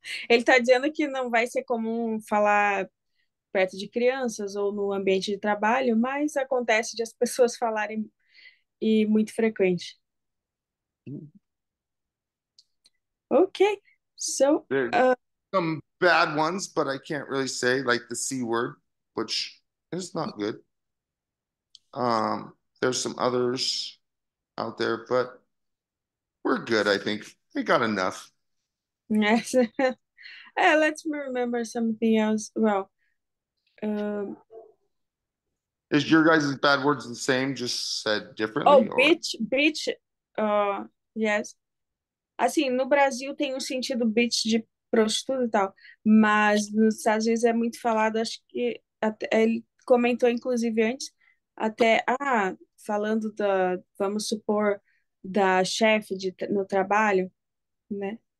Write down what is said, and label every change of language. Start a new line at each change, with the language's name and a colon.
Portuguese: Ele está dizendo que não vai ser comum falar perto de crianças ou no ambiente de trabalho, mas acontece de as pessoas falarem e muito frequente.
English: Ok, so there's some bad ones, but I can't really say, like the C word, which is not good. There's some others out there, but we're good, I think. We got enough. Yes. let's remember something else. Well, Is your guys' bad words the same, just said Oh, differently, or? bitch, yes.
Portuguese: Assim, no Brasil tem o um sentido bitch de prostituta e tal, mas nos Estados Unidos é muito falado, acho que até, ele comentou, inclusive, antes, até, falando da, vamos supor, da chefe no trabalho, né?